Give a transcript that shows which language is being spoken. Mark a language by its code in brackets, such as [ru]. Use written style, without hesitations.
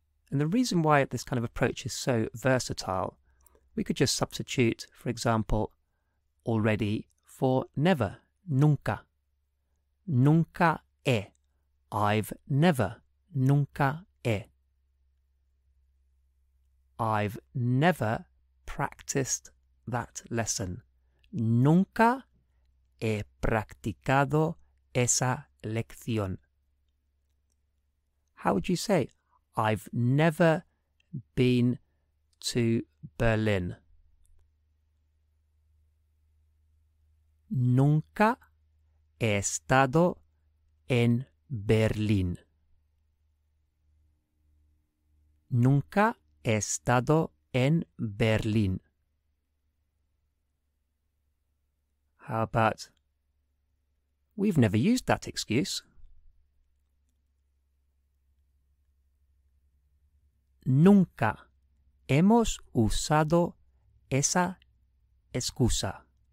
[en] And the reason why this kind of approach is so versatile, we could just substitute, for example, already for never, nunca. [es] Nunca he. [en] I've never. [es] Nunca he. [en] I've never practiced that lesson. [es] Nunca he practicado esa lección. [en] How would you say, I've never been to Berlin? [es] Nunca he estado en Berlín. Nunca he estado en Berlín. [en] How about, we've never used that excuse. [es] Nunca hemos usado esa excusa.